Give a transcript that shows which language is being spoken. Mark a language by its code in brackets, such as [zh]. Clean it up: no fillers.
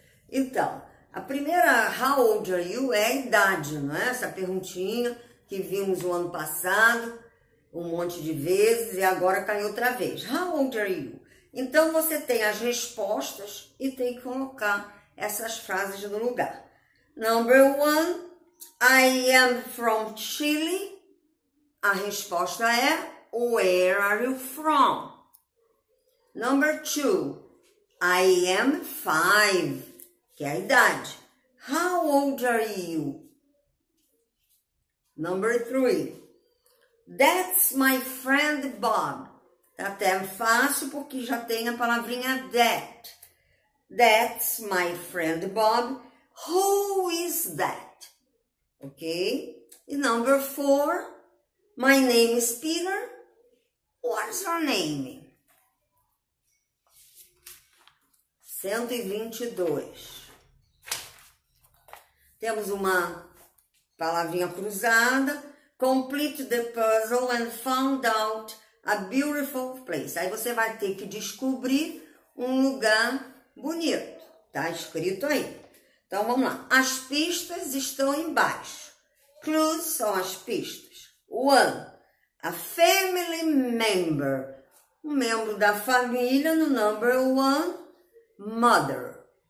[pt] Então, a primeira, [en] how old are you, [pt] é a idade, não é? Essa perguntinha que vimos o ano passado, um monte de vezes, e agora caiu outra vez. [en] How old are you? [pt] Então, você tem as respostas e tem que colocar essas frases no lugar. [en] Number one, I am from Chile. [pt] A resposta é, [en] where are you from? Number two, I am 5, [pt] que é a idade. [en] How old are you? Number three, that's my friend Bob. [pt] Tá até fácil porque já tem a palavrinha that. [en] That's my friend Bob. Who is that? Ok? E number four, my name is Peter. What's your name? 122. [pt] Temos uma palavrinha cruzada. [en] Complete the puzzle and found out a beautiful place. [pt] Aí você vai ter que descobrir um lugar bonito. Tá escrito aí. Então vamos lá. As pistas estão embaixo. Clues são as pistas. [en] One, a family member, [pt] um membro da família no [en] number one, mother.